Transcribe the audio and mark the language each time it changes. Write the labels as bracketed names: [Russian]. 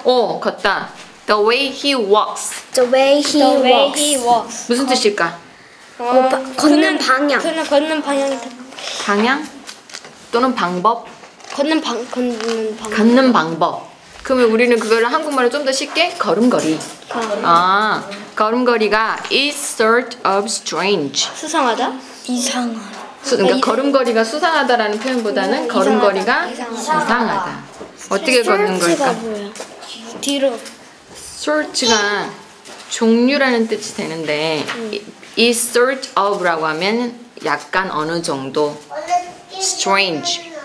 [Korean] 걷다. [English] The way he walks. The way he walks. The way he walks. [Korean] 무슨 뜻일까? 걷는 방향. 걷는 방향이 다. 방향? 또는 방법? 걷는 방법. 걷는 방법. 그러면 우리는 그걸 한국말로 좀 더 쉽게 걸음걸이. 아, 걸음걸이가 [English] is sort of strange. [Korean] 수상하다? 이상하다. 그러니까 걸음걸이가 수상하다라는 표현보다는 걸음걸이가 이상하다. 어떻게 걷는 걸까? 뒤로. sort가 종류라는 뜻이 되는데 [English] is sort of [Korean] 라고 하면 약간 어느 정도 strange.